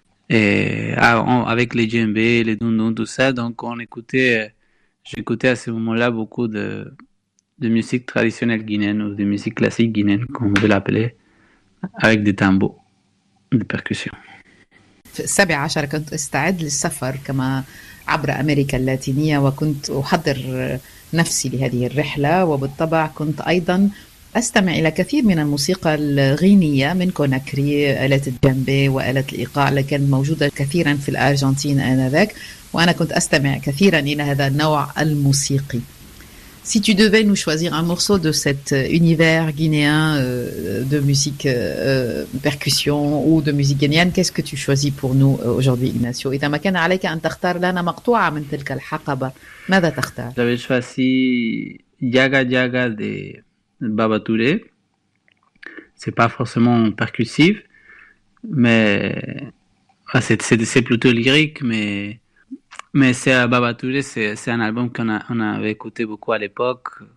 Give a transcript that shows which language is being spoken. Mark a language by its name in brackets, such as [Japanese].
[French] Et avec les djembé, les dundun, tout ça. Donc, j'écoutais à ce moment-là beaucoup de musique traditionnelle guinéenne ou de musique classique guinéenne, comme on veut l'appeler, avec des tambours, des percussions. [Arabic] 17 كنت استعد للسفر كما عبر أمريكا اللاتينية وكنت أحضر نفسي لهذه الرحلة وبالطبع كنت أيضا أستمع إلى كثير من الموسيقى الغينية من كوناكري, آلة الجامبي وآلة الإيقاع اللي كانت موجودة كثيرا في الأرجنتين آنذاك وأنا كنت أستمع كثيرا إلى هذا النوع الموسيقي. [French] Si tu devais nous choisir un morceau de cet univers guinéen de musique percussion ou de musique guinéenne, qu'est-ce que tu choisis pour nous aujourd'hui, Ignacio? [Arabic] إذا ما كان عليك أن تختار لنا مقطوعة من تلك الحقبة, ماذا تختار؟ [French] J'avais choisi Jaga Jaga de Baba Touré. C'est pas forcément percussif, mais c'est plutôt lyrique, mais c'est Baba Touré, c'est un album qu'on avait écouté beaucoup à l'époque.